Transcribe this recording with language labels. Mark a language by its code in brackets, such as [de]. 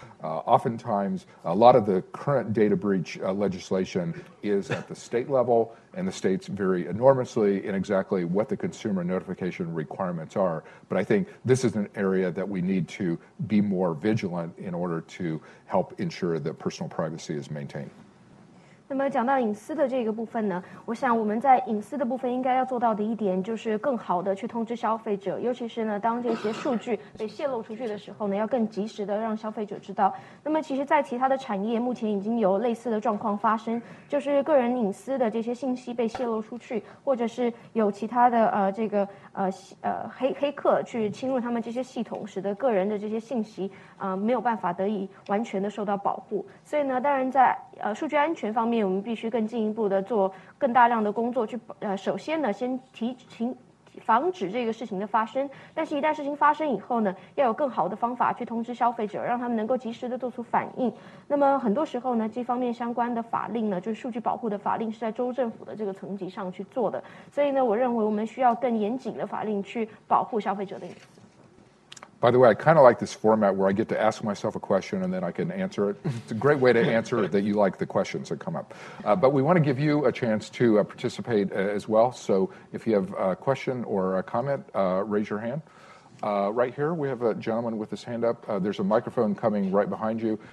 [en] Oftentimes, a lot of the current data breach legislation is at the state level, and the states vary enormously in exactly what the consumer notification requirements are. But I think this is an area that we need to be more vigilant in order to help ensure that personal privacy is maintained. [zh] 那么讲到隐私的这个部分呢，我想我们在隐私的部分应该要做到的一点就是更好的去通知消费者，尤其是呢当这些数据被泄露出去的时候呢，要更及时的让消费者知道。那么其实在其他的产业目前已经有类似的状况发生，就是个人隐私的这些信息被泄露出去，或者是有其他的黑客去侵入他们这些系统，使得个人的这些信息没有办法得以完全的受到保护。所以呢，当然在数据安全方面，我们必须更进一步的做更大量的工作去首先呢先防止这个事情的发生，但是一旦事情发生以后呢，要有更好的方法去通知消费者，让他们能够及时的做出反应。那么很多时候呢，这方面相关的法令呢，就是数据保护的法令，是在州政府的这个层级上去做的，所以呢，我认为我们需要更严谨的法令去保护消费者的隐私。 [en] By the way, I kind of like this format where I get to ask myself a question and then I can answer it. It's a great way to answer it that you like the questions that come up. But we want to give you a chance to participate as well. So if you have a question or a comment, raise your hand. Right here, we have a gentleman with his hand up. There's a microphone coming right behind you.